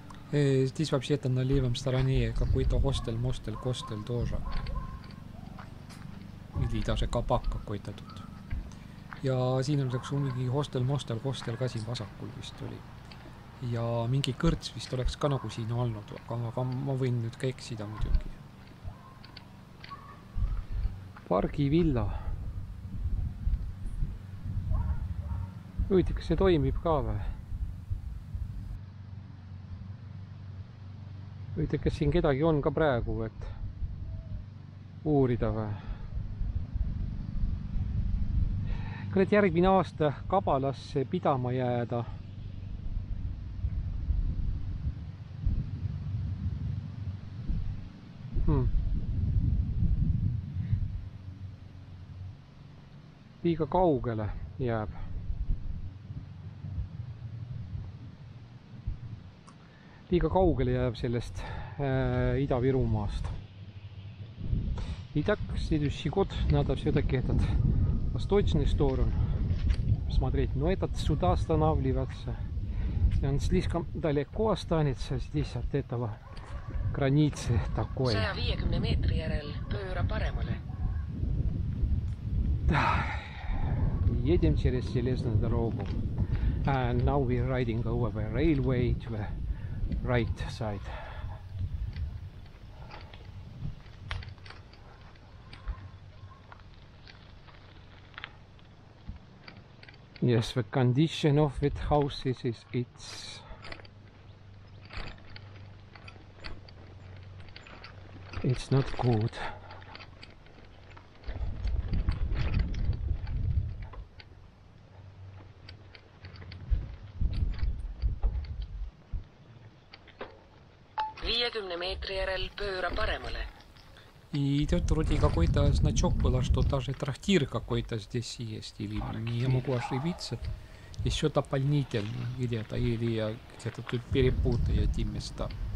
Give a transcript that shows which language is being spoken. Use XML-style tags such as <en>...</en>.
<ru>Здесь вообще-то на левом стороне какой-то хостел тоже. Или даже кабак какой-то тут.</ru> <et>Ja siin on oleks mingi hostel ka siin vasakul vist oli. Ja mingi kõrts vist oleks ka nagu siin olnud, aga ma võin nüüd ka eksida muidugi. Pargi villa. Võite, kas see toimib ka või? Võite, kas siin kedagi on ka praegu, et uurida või? Et järgmine aasta kabalasse pidama jääda. Liiga kaugele jääb. Liiga kaugele jääb sellest Ida-Virumaast.</et> <ru>Итак, следующий год надо все-таки этот восточную сторону смотреть. Но этот сюда останавливаться. И он слишком далеко останется здесь от этого границы такой.</ru> <et>150 метров järel pööra paremale.</et> <ru>Да. Едем через железную дорогу.</ru> <en>And now we're riding over the railway to the right side. Yes, the condition of its houses is its. It's not good.</en> <et>Viiekümne meetri järel pööra paremale.</et> <ru>И тут вроде какой-то значок был, что даже трактир какой-то здесь есть, или я могу ошибиться. Еще дополнительно где-то, или я где-то тут перепутаю эти места.</ru>